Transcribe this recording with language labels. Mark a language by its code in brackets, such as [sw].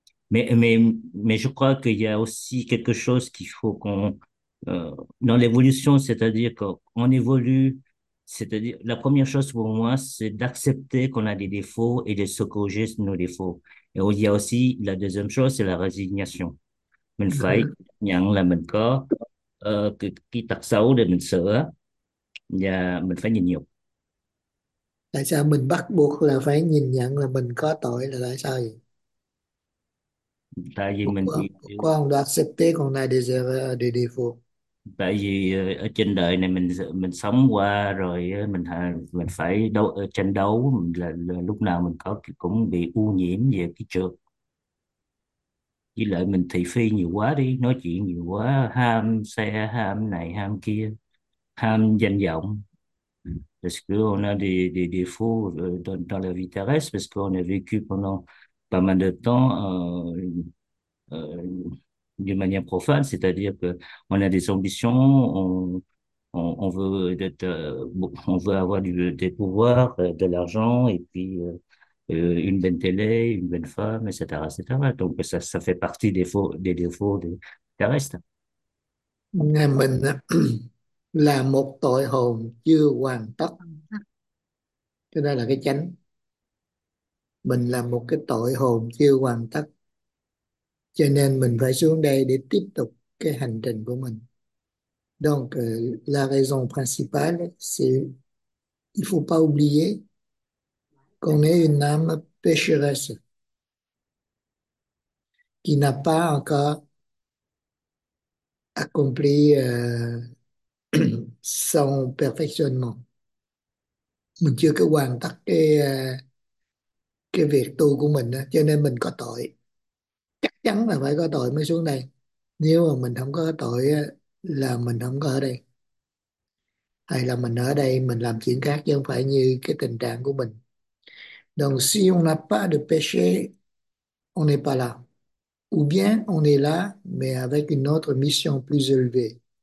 [fr] Mais je crois qu'il y a aussi quelque chose qu'il faut qu'on dans l'évolution, c'est-à-dire qu'on évolue. C'est-à-dire, la première chose pour moi, c'est d'accepter qu'on a des défauts et de se corriger nos défauts. Et il y a aussi la deuxième chose, c'est la résignation. [vi] Mình phải nhận là mình có cái tật xấu để mình sửa, và mình phải nhìn nhiều. Tại sao mình bắt buộc là phải nhìn nhận là mình có tội là tại sao vậy? Tại vì Một mình bị quá ông đã accepté con này để đề phục. tại vì ở trên đời này mình sống qua rồi, mình phải tranh đấu, là lúc nào mình có cũng bị ô nhiễm về cái trược, với lại mình thị phi nhiều quá, đi nói chuyện nhiều quá, ham xe, ham này ham kia, ham danh vọng. [fr] Parce que on a des défauts dans la vie terrestre, parce qu'on a vécu pendant pas mal de temps d'une manière profane, c'est-à-dire que on a des ambitions, on veut être, on veut avoir des pouvoirs, de l'argent et puis une belle télé, une belle femme, etc., etc. Donc ça fait partie des défauts des restes. [vi] Nhà mình là một tội hồn chưa hoàn tất, cái đó là cái chánh. Mình là một cái tội hồn chưa hoàn tất, cho nên mình phải xuống đây để tiếp tục cái hành trình của mình. [fr] Donc la raison principale c'est il faut pas oublier qu'on est une âme pécheresse qui n'a pas encore accompli son perfectionnement. [vi] Mình chưa có hoàn tất cái việc tu của mình đó, cho nên mình có tội. Chắc chắn là phải có tội mới xuống đây. Nếu mà mình không có tội là mình không có ở đây. Hay là mình ở đây mình làm chuyện khác chứ không phải như cái tình trạng của mình. [fr] Donc si on n'a pas de péché, on n'est pas là. Ou bien on est là, mais avec une autre mission plus élevée.